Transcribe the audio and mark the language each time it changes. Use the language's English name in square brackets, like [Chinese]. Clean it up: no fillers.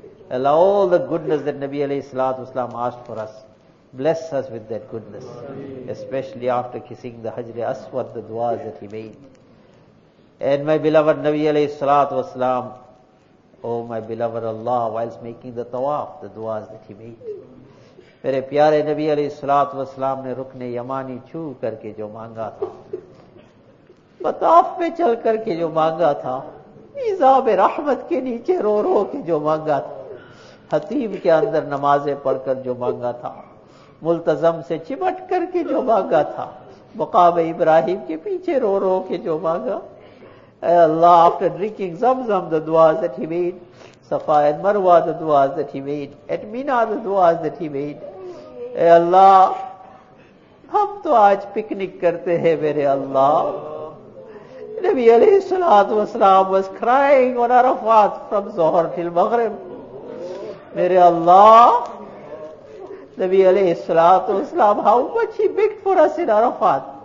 [English] Allah, all the goodness that Nabi alayhi salatu wa salam asked for us, bless us with that goodness. Especially after kissing the Hajri Aswad, the duas that he made. And my beloved Nabi alayhi salatu wa salam, oh my beloved Allah, whilst making the tawaf, the duas that he made. [Urdu] میرے پیارے نبی علیہ الصلوۃ والسلام نے رکن یمانی چھو کر کے جو مانگا تھا, بطاف پہ چل کر کے جو مانگا تھا, عذاب رحمت کے نیچے رو رو کے جو مانگا تھا, حطیم کے اندر نمازیں پڑھ کر جو مانگا تھا, ملتزم سے چمٹ کر کے جو مانگا تھا, مقام ابراہیم کے پیچھے رو رو کے جو مانگا, اے اللہ, [English] after drinking Zamzam the duas that he made, Safa and Marwa, the du'as that he made. At Mina, the du'as that he made. [Urdu] Ey Allah, hum to aaj picnic karte hai, mere Allah. [English] Nabi alayhi salatu wa salam was crying on Arafat from Zohar till Maghrib. [Urdu] Mere Allah, [English] Nabi alayhi salatu wa salam, how much he begged for us in Arafat.